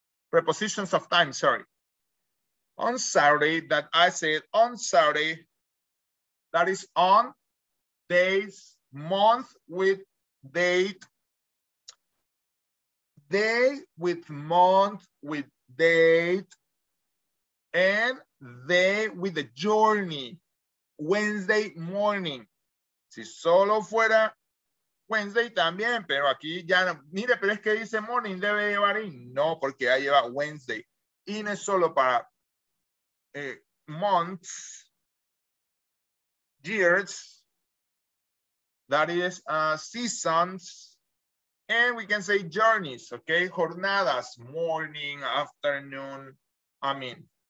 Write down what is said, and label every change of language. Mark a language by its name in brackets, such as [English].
[English] Prepositions of time, sorry. On Saturday, that I said on Saturday, that is on days, month with date, day with month with date, and they with the journey, Wednesday morning. [Spanish] Si solo fuera Wednesday también, pero aquí ya, no, mire, pero es que dice morning, debe llevar in. No, porque ya lleva Wednesday. [English] In [Spanish] es solo para [English] months, years, that is seasons, and we can say journeys, okay? Jornadas, morning, afternoon, I mean.